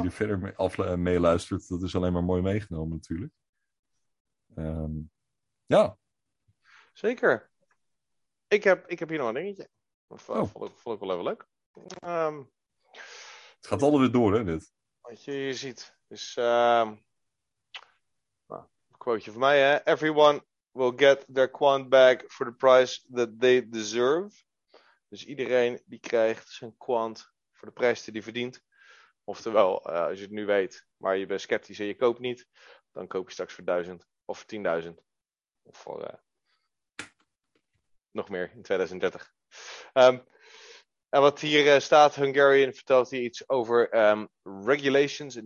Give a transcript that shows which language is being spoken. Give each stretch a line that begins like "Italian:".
Dutch: Die er verder meeluistert, dat is alleen maar mooi meegenomen natuurlijk. Ja. Zeker. Ik heb hier nog een dingetje. Vond ik wel even leuk. Het gaat allemaal weer door, hè, dit. Wat je hier ziet is... een quoteje van mij, hè.
English: Everyone will get their quant back for the price that they deserve.
Dutch: Dus iedereen die krijgt zijn quant voor de prijs die hij verdient. Oftewel, als je het nu weet, maar je bent sceptisch en je koopt niet, dan koop je straks voor 1000 of 10.000. Of voor nog meer in 2030. En wat hier staat, Hungarian vertelt hier iets over regulations.